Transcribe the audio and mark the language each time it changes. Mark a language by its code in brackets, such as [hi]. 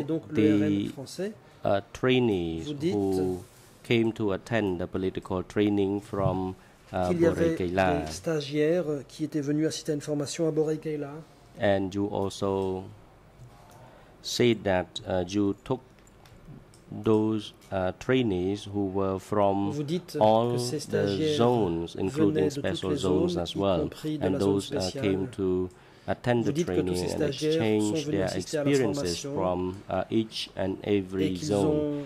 [en] In this document, you said you took the trainees who came to attend the political training from Boré-Kéila. [fr] Qu'il y avait des stagiaires qui étaient venus assister à une formation à Boré-Kéila. [en] And you also said that you took those trainees who were from all the zones, including special zones as well, and those came to attend the training and exchange their experiences from each and every zone.